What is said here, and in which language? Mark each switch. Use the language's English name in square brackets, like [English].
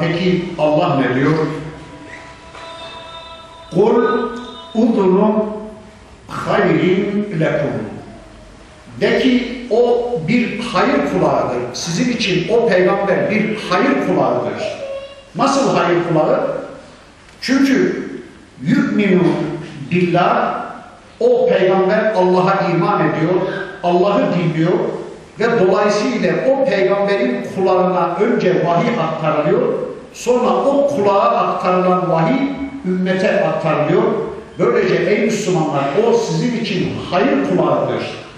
[Turkish] Peki Allah ne diyor? [Arabic] قُلْ اُذُنُمْ خَيْرٍ لَكُمْ. [Turkish] De ki o bir hayır kulağıdır. Sizin için o peygamber bir hayır kulağıdır. Nasıl hayır kulağı? Çünkü [Arabic] يُؤْمِنُ بِاللّٰهِ. [Turkish] O peygamber Allah'a iman ediyor, Allah'ı dinliyor ve dolayısıyla o peygamberin kulağına önce vahiy aktarılıyor, sonra o kulağa aktarılan vahiy ümmete aktarılıyor. Böylece ey Müslümanlar, o sizin için hayır kulağıdır.